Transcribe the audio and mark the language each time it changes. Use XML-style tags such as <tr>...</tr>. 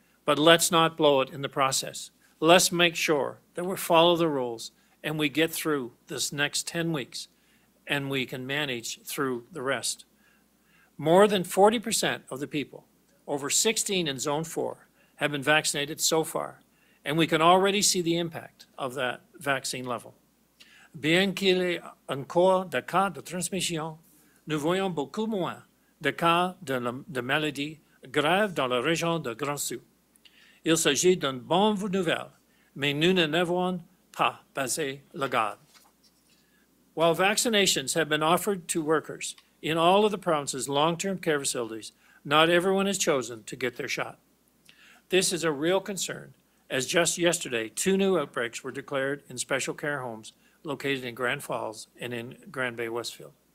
<en>But let's not blow it in the process. Let's make sure that we follow the rules and we get through this next 10 weeks and we can manage through the rest. More than 40% of the people over 16 in Zone 4 have been vaccinated so far, and we can already see the impact of that vaccine level.</en> <fr>Bien qu'il y ait encore des cas de transmission, nous voyons beaucoup moins de cas de maladies graves dans la région de Grand Sault. Il s'agit d'une bonne nouvelle, mais nous ne l'avons pas baissé la garde.</fr> <en>While vaccinations have been offered to workers in all of the province's long-term care facilities, not everyone has chosen to get their shot. This is a real concern, as just yesterday, two new outbreaks were declared in special care homes located in Grand Falls and in Grand Bay Westfield.</en>